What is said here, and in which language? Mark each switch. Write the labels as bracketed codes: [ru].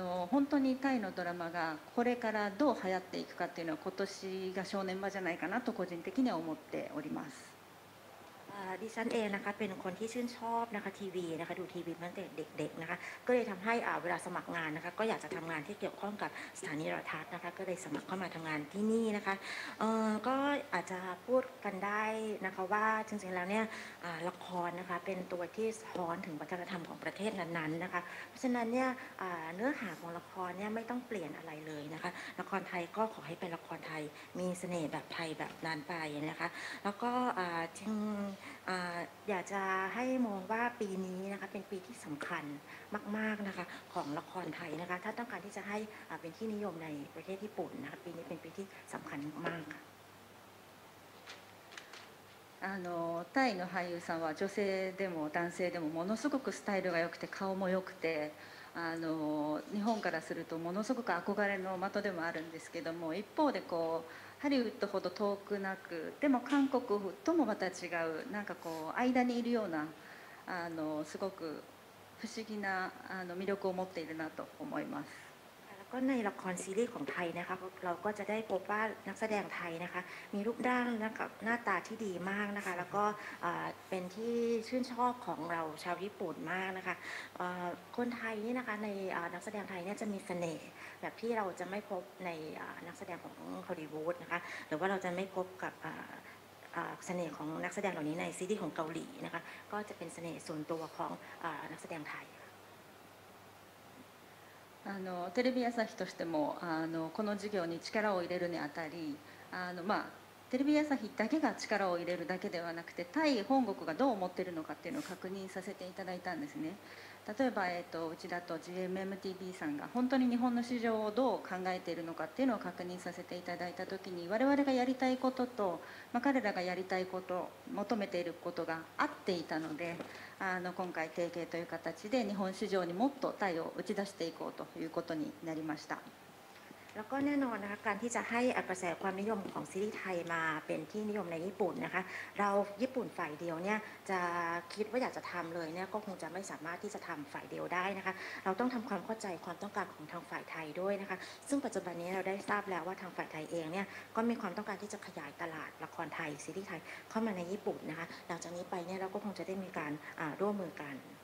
[ja] 本当にタイのドラマがこれからどう流行っていくかっていうのは今年が正念場じゃないかなと個人的には思っております。 [th] ดิฉันเองนะคะเป็นคนที่ชื่นชอบนะคะทีวีนะคะดูทีวีตั้งแต่เด็กๆนะคะก็เลยทําให้เวลาสมัครงานนะคะก็อยากจะทํางานที่เกี่ยวข้องกับสถานีโทรทัศน์นะคะก็เลยสมัครเข้ามาทํางานที่นี่นะคะก็อาจจะพูดกันได้นะคะว่าจริงๆแล้วเนี่ยละครนะคะเป็นตัวที่สะท้อนถึงวัฒนธรรมของประเทศนั้นๆนะคะเพราะฉะนั้นเนี่ยเนื้อหาของละครเนี่ยไม่ต้องเปลี่ยนอะไรเลยนะคะละครไทยก็ขอให้เป็นละครไทยมีเสน่ห์แบบไทยแบบนานไปนะคะแล้วก็จึง อยากจะให้มองว่าปีนี้นะคะเป็นปีที่สำคัญมากๆนะคะของละครไทยนะคะถ้าต้องการที่จะให้เป็นที่นิยมในประเทศญี่ปุ่นนะคะปีนี้เป็นปีที่สำคัญมาก [ja] タイの俳優さんは女性でも男性でもものすごくスタイルが良くて顔も良くて日本からするとものすごく憧れの的でもあるんですけども、一方でこうハリウッドほど遠くなく、でも韓国ともまた違う、なんかこう間にいるようなすごく不思議な魅力を持っているなと思います。 [th] ก็ในละครซีรีส์ของไทยนะคะเราก็จะได้พบว่านักแสดงไทยนะคะมีรูปร่างนะคะหน้าตาที่ดีมากนะคะแล้วก็เป็นที่ชื่นชอบของเราชาวญี่ปุ่นมากนะคะคนไทยนี่นะคะในนักแสดงไทยเนี่ยจะมีเสน่ห์แบบที่เราจะไม่พบในนักแสดงของฮอลลีวูดนะคะหรือว่าเราจะไม่พบกับเสน่ห์ของนักแสดงเหล่านี้ในซีรีส์ของเกาหลีนะคะก็จะเป็นเสน่ห์ส่วนตัวของนักแสดงไทย [ja] テレビ朝日としてもこの事業に力を入れるにあたり、まあテレビ朝日だけが力を入れるだけではなくて、タイ本国がどう思っているのかっていうのを確認させていただいたんですね。例えば、うちだと GMMTV さんが本当に日本の市場をどう考えているのかっていうのを確認させていただいたときに、我々がやりたいことと、まあ、彼らがやりたいこと求めていることが合っていたので、今回提携という形で日本市場にもっとタイを打ち出していこうということになりました。 [th] แล้วก็แน่นอนนะคะการที่จะให้กระแสความนิยมของซีรีส์ไทยมาเป็นที่นิยมในญี่ปุ่นนะคะเราญี่ปุ่นฝ่ายเดียวเนี่ยจะคิดว่าอยากจะทำเลยเนี่ยก็คงจะไม่สามารถที่จะทำฝ่ายเดียวได้นะคะเราต้องทำความเข้าใจความต้องการของทางฝ่ายไทยด้วยนะคะซึ่งปัจจุบันนี้เราได้ทราบแล้วว่าทางฝ่ายไทยเองเนี่ยก็มีความต้องการที่จะขยายตลาดละครไทยซีรีส์ไทยเข้ามาในญี่ปุ่นนะคะหลังจากนี้ไปเนี่ยเราก็คงจะได้มีการร่วมมือกัน